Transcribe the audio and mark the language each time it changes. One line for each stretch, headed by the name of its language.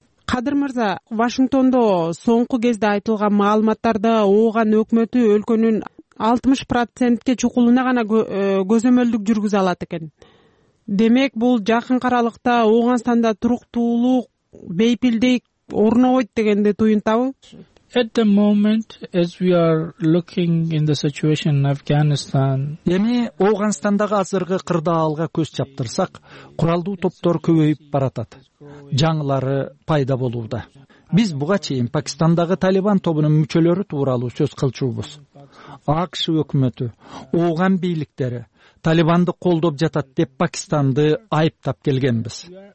Kyrgyz: Кадыр мырза, Вашингтондо соңку кезде айтылган маалыматтарды Ооган өкмөтү өлкөнүн 60%ке чукулуна гана көзөмөлдүк жүргүзө алат экен. Демек бул жакын каралыкта Ооганстанда туруктуулук, бейпилдик орногойт дегенди туюнтабы?
English: At the moment, as we are looking in the situation in Afghanistan,
Kyrgyz: эми Ооганстандагы азыркы кырдаалга көз чаптырсак, куралдуу топтор көбөйүп баратат. Жаңылары пайда болууда. Биз буга чейин Пакистандагы Талибан тобунун мүчөлөрү тууралуу сөз кылчубуз. АКШ өкмөтү, Ооган бийликтери Талибанды колдоп жатат деп Пакистанды айыптап келгенбиз.